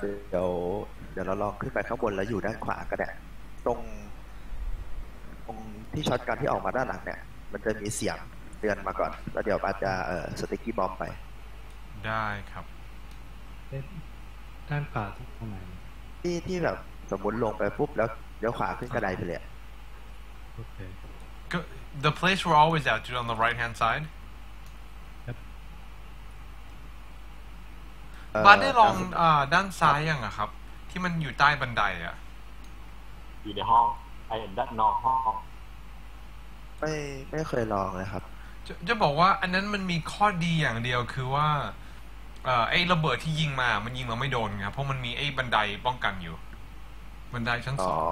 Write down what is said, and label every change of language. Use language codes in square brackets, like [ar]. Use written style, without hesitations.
[th] เดี๋ยวเราลองขึ้นไปข้างบนแล้วอยู่ด้านขวาก็ได้ตรงที่ช็อตกันที่ออกมาด้านหลังเนี่ยมันจะมีเสียงเตือนมาก่อนแล้วเดี๋ยวอาจจะสติกกี้บอมไป ได้ครับ ด้านขวาที่ตรงไหน ที่แบบสมมุติลงไปปุ๊บแล้วเลี้ยวขวาขึ้นกระไดไปเลยอ่ะ โอเค [en] The place we're always at is on the right hand side yep. [th] บาร์ได้ลองด้านซ้ายยังอ่ะครับที่มันอยู่ใต้บันไดอ่ะ อยู่ในห้องไอ้ด้านนอกห้อง ไม่เคยลองเลยครับ จะบอกว่าอันนั้นมันมีข้อดีอย่างเดียวคือว่าไอ้ระเบิดที่ยิงมามันยิงเราไม่โดนไงเพราะมันมีไอ้บันไดป้องกันอยู่บันไดชั้นสอง